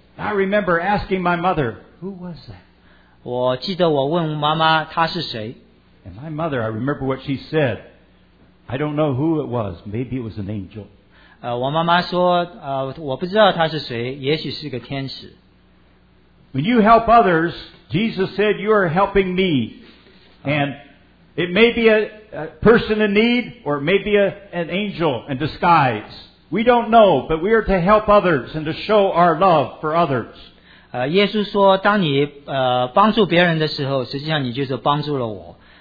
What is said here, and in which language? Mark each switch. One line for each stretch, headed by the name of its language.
English: I remember asking my mother, who was that?
Chinese: 我记得我问妈妈他是谁。
English: And my mother, I remember what she said. I don't know who it was. Maybe it was an angel.
Chinese: 我妈妈说，我不知道他是谁，也许是个天使。
English: When you help others, Jesus said, you are helping me. And it may be a person in need, or it may be an angel in disguise. We don't know, but we are to help others and to show our love for others.
Chinese: 耶稣说，当你帮助别人的时候，实际上你就是帮助了我。